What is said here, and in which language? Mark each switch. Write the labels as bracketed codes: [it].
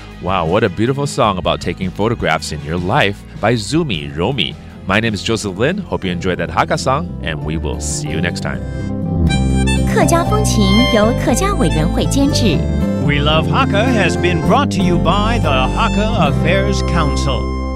[en] Wow, what a beautiful song about taking photographs in your life by Zoomie, Romy. My name is Joseph Lin. Hope you enjoyed that Hakka song, and we will see you next time. [zh] 客家风情由客家委员会监制。 [en] We Love Hakka has been brought to you by the Hakka Affairs Council.